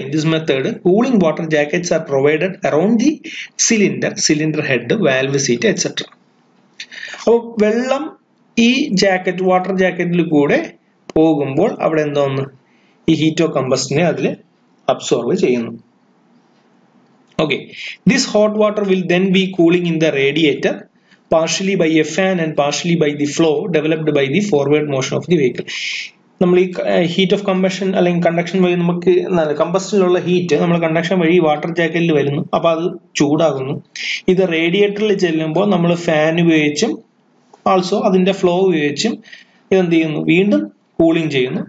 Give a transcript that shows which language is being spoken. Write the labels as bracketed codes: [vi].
[en] In this method cooling water jackets are provided around the cylinder, cylinder head, valve seat etcetera. [ml] അപ്പോൾ വെള്ളം ഈ jacket, water ജാക്കറ്റിൽ കൂടെ പോകുമ്പോൾ അവിടെ എന്താണ് ഈ ഹീറ്റോ കമ്പസ്റ്റിനെ അതിൽ അബ്സോർബ് ചെയ്യുന്നു. Okay. [en] This hot water will then be cooling in the radiator partially by a fan and partially by the flow developed by the forward motion of the vehicle. [ml] നമ്മൾ ഈ heat of combustion അല്ലെങ്കിൽ conduction വഴി നമുക്ക് എന്താണ് കമ്പസ്റ്റിലുള്ള heat നമ്മൾ conduction വഴി water ജാക്കറ്റിൽ വരുന്നു, അപ്പോൾ അത് ചൂടാകുന്നു. ഇത് റേഡിയേറ്ററിൽ ചെല്ലുമ്പോൾ നമ്മൾ ഫാൻ ഉപയോഗിച്ചും ആൾസോ അതിൻ്റെ ഫ്ലോ ഉപയോഗിച്ചും ഇതെന്ത് ചെയ്യുന്നു, വീണ്ടും കൂളിംഗ് ചെയ്യുന്നു.